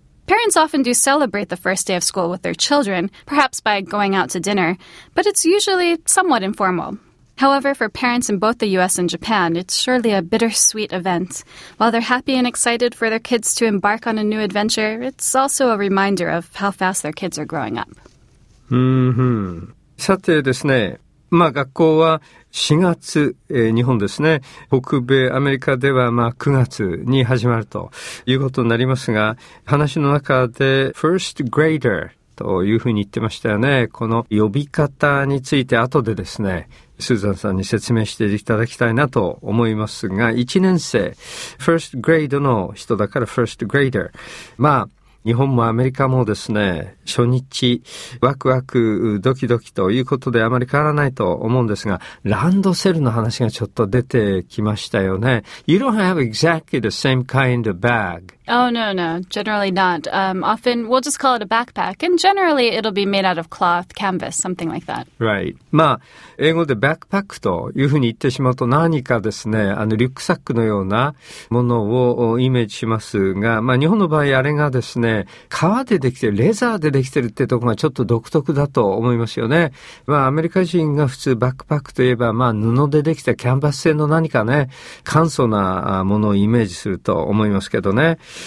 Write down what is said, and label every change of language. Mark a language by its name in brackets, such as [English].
[English] Parents often do celebrate the first day of school with their children, perhaps by going out to dinner, but it's usually somewhat informal. However, for parents in both the U.S. and Japan, it's surely a bittersweet event. While they're happy and excited for their kids to embark on a new adventure, it's also a reminder of how fast their kids are growing up. Mm-hmm. [Japanese] さてですね、まあ、学校は4月、日本ですね、北米アメリカではまあ9月に始まるということになりますが、話の中で first grader というふうに言ってましたよね。この呼び方について後でですね、スーザンさんに説明していただきたいなと思いますが、1年生、first grade の人だから first grader。まあ、日本もアメリカもですね、初日、ワクワク、ドキドキということであまり変わらないと思うんですが、ランドセルの話がちょっと出てきましたよね。 [English] You don't have exactly the same kind of bag. Oh, no, no. Generally not. Often, we'll just call it a backpack. And generally, it'll be made out of cloth, canvas, something like that. Right. [Japanese] まあ、英語でバックパックというふうに言ってしまうと何かですね、リュックサックのようなものをイメージしますが、まあ、日本の場合あれがですね、革でできてる、レザーでできてるってとこがちょっと独特だと思いますよね。まあアメリカ人が普通バックパックといえば、まあ布でできたキャンバス製の何かね、簡素なものをイメージすると思いますけどね。